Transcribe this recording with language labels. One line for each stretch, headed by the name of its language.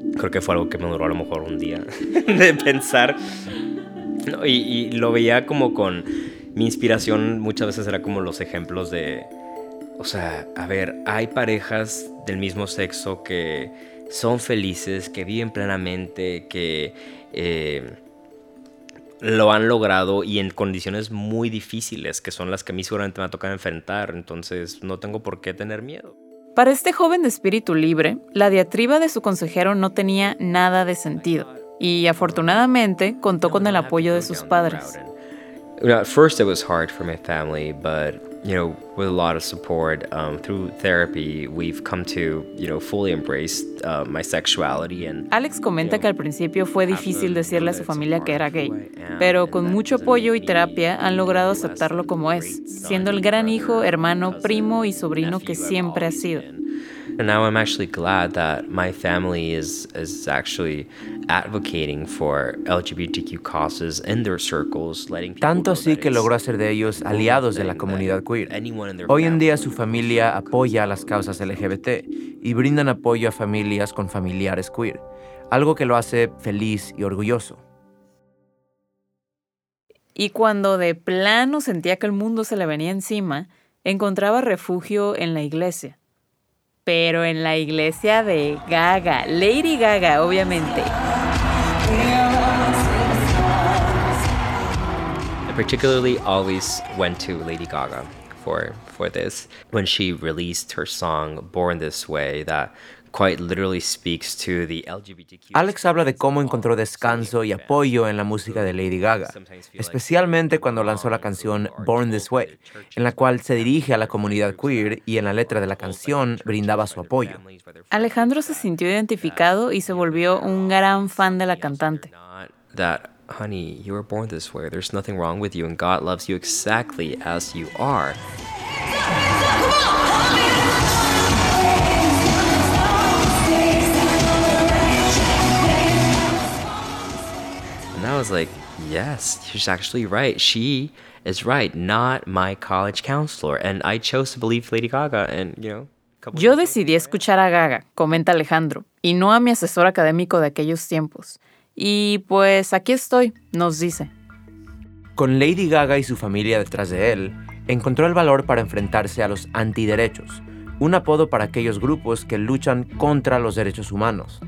Spanish: creo que fue algo que me duró a lo mejor un día de pensar. No, y lo veía como con mi inspiración muchas veces era como los ejemplos de, o sea, a ver, hay parejas del mismo sexo que son felices, que viven plenamente, que lo han logrado y en condiciones muy difíciles, que son las que a mí seguramente me toca enfrentar, entonces no tengo por qué tener miedo. Para este joven de espíritu libre, la diatriba de su consejero no tenía nada de sentido y afortunadamente contó con el apoyo de sus padres.
English: At first it was hard for my family, but you know, with a lot of support through therapy, we've come to, you know, fully embrace my sexuality. And
Spanish: Alex comenta,
English: you know,
Spanish: que al principio fue difícil decirle a su familia que era gay, pero con mucho apoyo y terapia han logrado aceptarlo como es, siendo el gran hijo, hermano, primo y sobrino que siempre ha sido.
English: And now I'm actually glad that my family is actually advocating for LGBTQ causes in their circles, letting people
Spanish: tanto así que logró hacer de ellos aliados de la comunidad queer. Hoy en día su familia apoya a las causas LGBT y brindan apoyo a familias con familiares queer, algo que lo hace feliz y orgulloso. Y cuando de plano sentía que el mundo se le venía encima, encontraba refugio en la iglesia. Pero en la iglesia de Gaga, Lady Gaga, obviamente.
English: I particularly always went to Lady Gaga for this. When she released her song Born This Way, that quite literally speaks to the LGBTQ. Alex habla de cómo encontró descanso y apoyo en la música de Lady Gaga, especialmente cuando lanzó la canción Born This Way, en la cual se dirige a la comunidad queer y en la letra de la canción brindaba su apoyo. Alejandro se sintió identificado y se volvió un gran fan de la cantante. Honey, you were born this way. There's nothing wrong with you, and God loves you exactly as you are. And I was like, yes, she's actually right. She is right, not my college counselor. And I chose to believe Lady Gaga, and you know.
Spanish: Yo decidí escuchar a Gaga, comenta Alejandro, y no a mi asesor académico de aquellos tiempos. Y pues aquí estoy, nos dice. Con Lady Gaga y su familia detrás de él, encontró el valor para enfrentarse a los antiderechos, un apodo para aquellos grupos que luchan contra los derechos humanos.